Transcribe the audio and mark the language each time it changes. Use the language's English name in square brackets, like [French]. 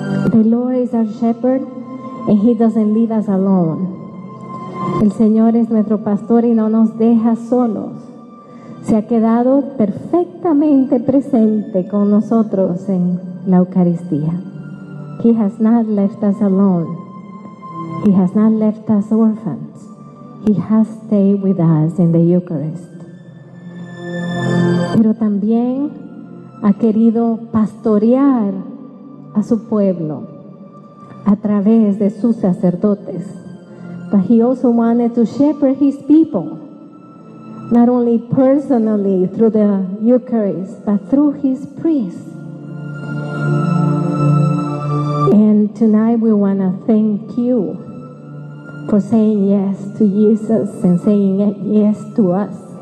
[English] The Lord is our shepherd and he doesn't leave us alone. [Spanish] El Señor es nuestro pastor y no nos deja solos. Se ha quedado perfectamente presente con nosotros en la Eucaristía. [English] He has not left us alone. He has not left us orphans. He has stayed with us in the Eucharist. [Spanish] Pero también ha querido pastorear a su pueblo a través de sus sacerdotes. [English] But he also wanted to shepherd his people, not only personally through the Eucharist, but through his priests. And tonight we want to thank you for saying yes to Jesus and saying yes to us.